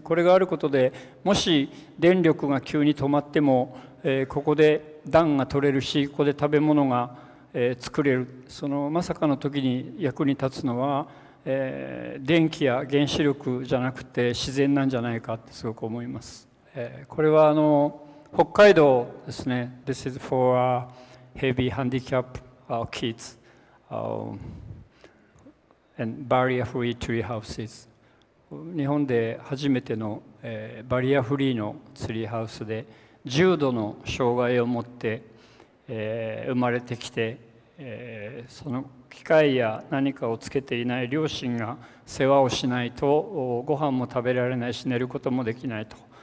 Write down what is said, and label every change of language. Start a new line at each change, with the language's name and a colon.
Japanese: これがあることで、もし電力が急に止まっても、ここで暖が取れるし、ここで食べ物が、作れる。そのまさかの時に役に立つのは、電気や原子力じゃなくて自然なんじゃないかってすごく思います。これは北海道ですね。
English: This is for heavy handicap kids and barrier-free tree houses。
Japanese: 日本で初めての、バリアフリーのツリーハウスで、重度の障害を持って、生まれてきて、その機械や何かをつけていない両親が世話をしないと、ご飯も食べられないし寝ることもできないと。